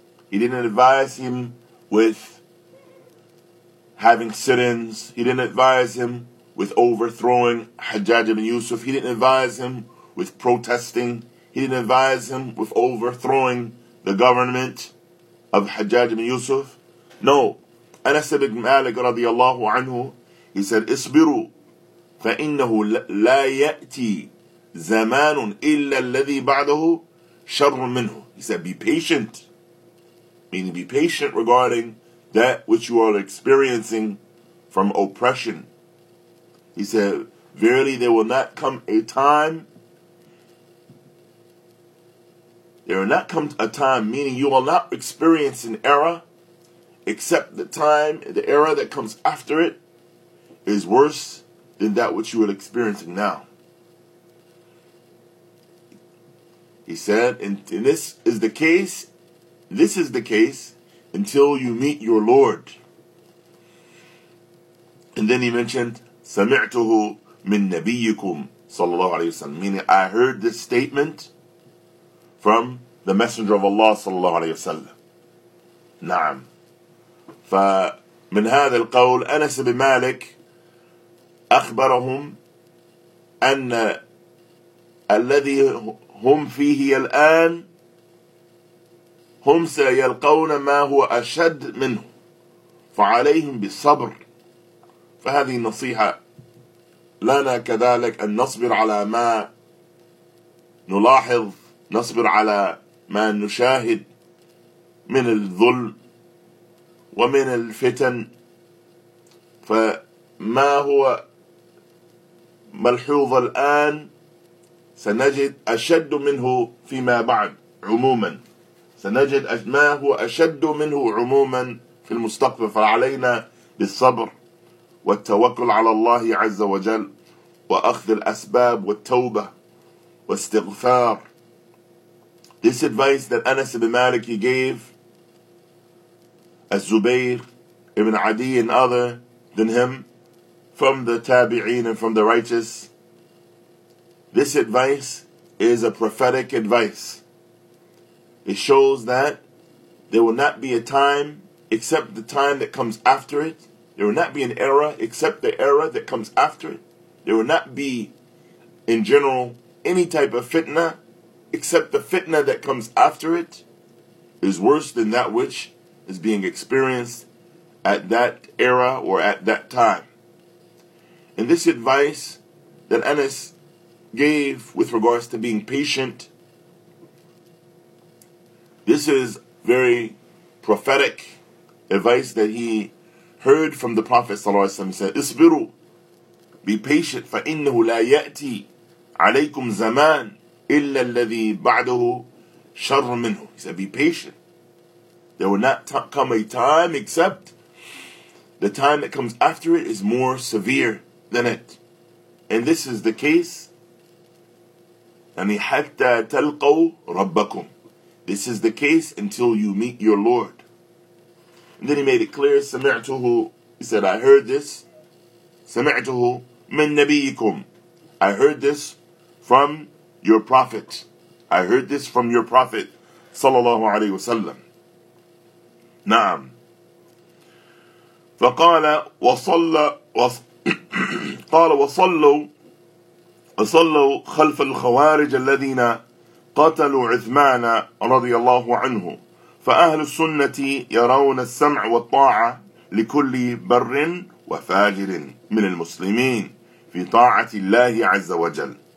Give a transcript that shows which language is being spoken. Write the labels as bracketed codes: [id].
[en] He didn't advise him with having sit-ins. He didn't advise him with overthrowing Hajjaj ibn Yusuf. He didn't advise him with protesting. He didn't advise him with overthrowing the government of Hajjaj ibn Yusuf. No. Anas ibn Malik radiallahu anhu, he said, [ar] اصبروا فإنه لا يأتي زمان إلا الذي بعده شر منه. [en] He said, be patient. Meaning be patient regarding that which you are experiencing from oppression. He said, verily there will not come a time, there will not come a time, meaning you will not experience an era, except the time, the era that comes after it, is worse than that which you are experiencing now. He said, and this is the case, this is the case, until you meet your Lord. And then he mentioned, [ar] سَمِعْتُهُ مِن نَبِيِّكُمْ صَلَّى اللَّهُ عَلَيْهِ وَسَلَّمَ, [en] meaning I heard this statement from the Messenger of Allah [ar] صلى الله عليه وسلم. نعم. فمن هذا القول أنس بن مالك أخبرهم أن الذي هم فيه الآن هم سيلقون ما هو أشد منه فعليهم بالصبر. فهذه النصيحة لنا كذلك أن نصبر على ما نلاحظ, نصبر على ما نشاهد من الظلم ومن الفتن. فما هو ملحوظ الآن سنجد أشد منه فيما بعد عموما, سنجد ما هو أشد منه عموما في المستقبل. فعلينا بالصبر والتوكل على الله عز وجل وأخذ الأسباب والتوبة واستغفار. [en] This advice that Anas ibn Malik he gave Az-Zubayr ibn Adi and other than him from the Tabi'een and from the righteous, this advice is a prophetic advice. It shows that there will not be a time except the time that comes after it. There will not be an era except the era that comes after it. There will not be, in general, any type of fitna except the fitna that comes after it is worse than that which is being experienced at that era or at that time. And this advice that Anas gave with regards to being patient, this is very prophetic advice that he heard from the Prophet sallallahu alaihi wasallam. He said, [ar] اصبروا, [en] be patient, [ar] فإنه لا يأتي عليكم زمان إلا الذي بعده شر منه. [en] He said, be patient. There will not come a time except the time that comes after it is more severe than it. And this is the case. [ar] يعني حتى تلقوا ربكم. [en] This is the case until you meet your Lord. And then he made it clear, سمعته, he said, I heard this. [ar] سمعته من نبيكم. [en] I heard this from your prophet. I heard this from your prophet, sallallahu alayhi wa sallam. [ar] Naam. فقال وصلى قال وصلوا خلف الخوارج الذين قتلوا عثمان رضي الله عنه. فأهل السنة يرون السمع والطاعة لكل بر وفاجر من المسلمين في طاعة الله عز وجل.